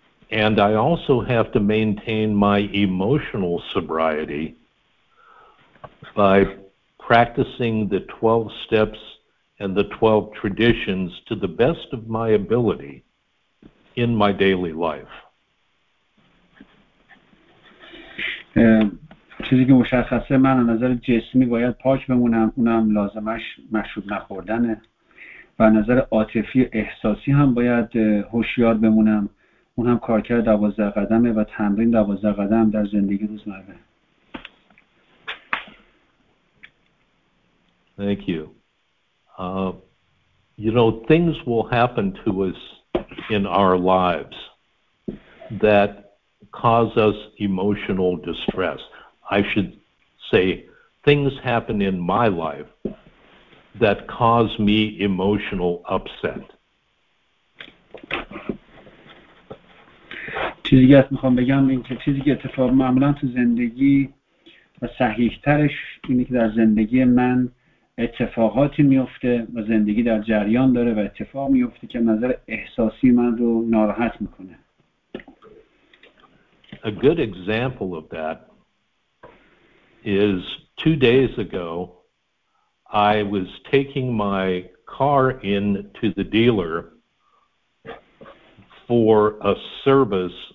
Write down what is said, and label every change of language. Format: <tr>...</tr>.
<en>And I also have to maintain my emotional sobriety by practicing the 12 steps and the 12 traditions to the best of my ability in my daily life.</en> <fa>چیزی که مشخصه من از نظر جسمی باید پاک بمونم، اونم لازمش مشروب نخوردنه و از نظر عاطفی احساسی هم باید هوشیار بمونم، اون هم کارکرد 12 قدمه و تمرین 12 قدم در زندگی روزمره.</fa> <en>Thank you. You know, things will happen to us in our lives that cause us emotional distress. I should say things happen in my life that cause me emotional upset.</en> <fa>چیزی که میخوام بگم این که چیزی که اتفاق معمولا تو زندگی و صحیح ترش اینه که در زندگی من اتفاقاتی میفته و زندگی در جریان داره و اتفاق میفته که نظر احساسی من رو ناراحت میکنه.</fa> <en>A good example of that is 2 days ago I was taking my car in to the dealer for a service.</en>